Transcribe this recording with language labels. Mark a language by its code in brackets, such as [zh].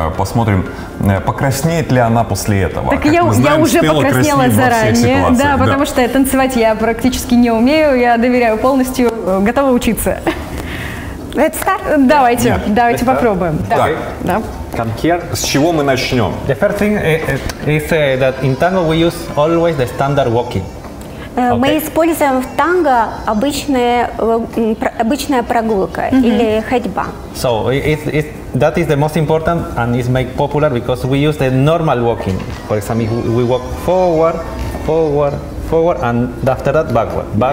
[ru] Посмотрим, покраснеет ли она после этого. Так я уже покраснела заранее, да, потому что танцевать я практически не умею, я доверяю полностью, готова учиться. [en] Let's start. [ru] Давайте, давайте попробуем. [en] Come here. [ru] С чего мы начнем? [en] The first thing is that in tango we use always the standard walking. [ru] Мы используем в танго обычная прогулка или ходьба. [en] So it's that is the most important and is made popular because we use the normal walking. For example, we walk forward, and after that backward.